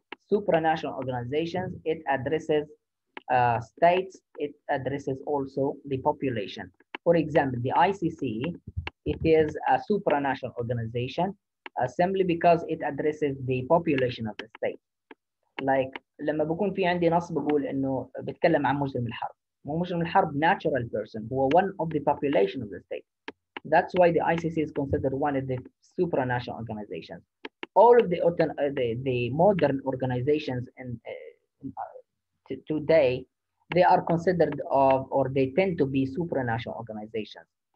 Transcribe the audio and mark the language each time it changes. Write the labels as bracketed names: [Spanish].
[English] Supranational organizations it addresses states, it addresses also the population. For example, the ICC, it is a supranational organization simply because it addresses the population of the state. [Arabic] Like, لما بكون في عندي نص بقول انه بتكلم عن مجرم الحرب. مجرم الحرب [English] natural person, who are one of the population of the state. That's why the ICC is considered one of the supranational organizations. All of the modern organizations and today, they are considered of or they tend to be supranational organizations.